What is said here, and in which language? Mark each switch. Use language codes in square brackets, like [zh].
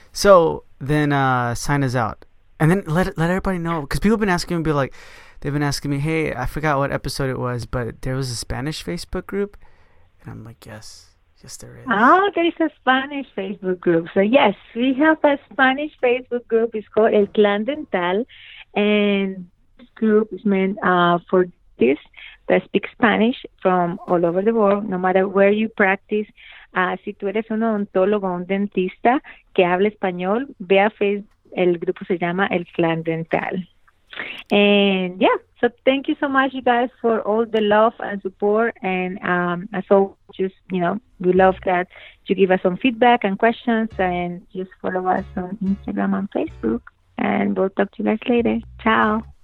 [en] So then, sign us out, and then let everybody know, because people have been asking me, be like, they've been asking me, hey, I forgot what episode it was, but there was a Spanish Facebook group, and I'm like, yes, there is. Oh, there's a Spanish Facebook group. So yes, we have a Spanish Facebook group. It's called El Clan Dental, and this group is meant for this that speak Spanish from all over the world. No matter where you practice, [es] Si tú eres un odontólogo, un dentista que habla español, ve a Facebook, el grupo se llama El Clan Dental. [en] And yeah, so thank you so much, you guys, for all the love and support. And as always, we love that you give us some feedback and questions and just follow us on Instagram and Facebook. And we'll talk to you guys later. Ciao.